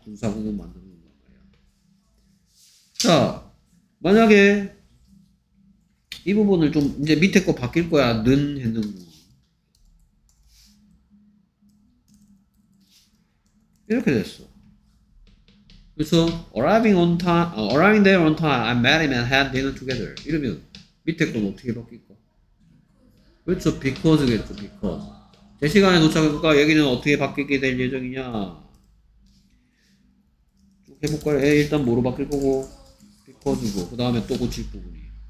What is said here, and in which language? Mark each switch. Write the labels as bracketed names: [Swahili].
[Korean] 분사구문 만들어 놓은 거다. 자, 만약에 이 부분을 좀 이제 밑에 거 바뀔 거야. 는 했는 부분 이렇게 됐어. [English] 그래서 arriving on time, arriving there on time, I met him and had dinner together. [Korean] 이러면 밑에 거 어떻게 바뀔 거? 그렇죠. Because겠죠. Because 제 시간에 도착해볼까? 여기는 어떻게 바뀌게 될 예정이냐? 쭉 해볼까요? 예, 일단 뭐로 바뀔 거고, Because고. 그 다음에 또 고칠 부분이.